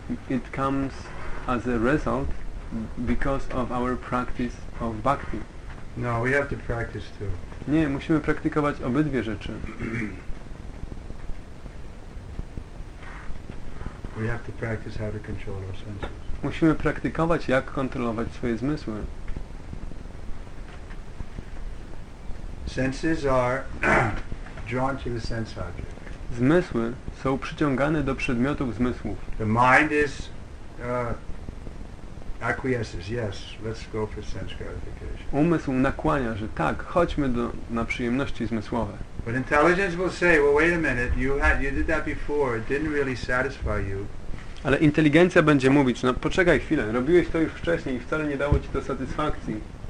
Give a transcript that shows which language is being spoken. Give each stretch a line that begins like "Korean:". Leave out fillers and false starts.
English: It comes as a result because of our practice of bhakti. No, we have to practice too.
Polish: Nie, musimy praktykować obydwie rzeczy.
English: We have to practice how to control our senses.
Polish: Musimy praktykować, jak kontrolować swoje zmysły.
English: Senses are drawn to the sense object.
Polish: Zmysły są przyciągane do przedmiotów zmysłów.
English: The mind is acquiesces. Yes, let's go for sense gratification.
Polish: Umysł nakłania, że tak, chodźmy na przyjemności zmysłowe.
English: But intelligence will say, well, wait a minute, you did that before, it didn't really satisfy you.
Polish: Ale inteligencja będzie mówić, no poczekaj chwilę, robiłeś to już wcześniej i wcale nie dało ci to satysfakcji.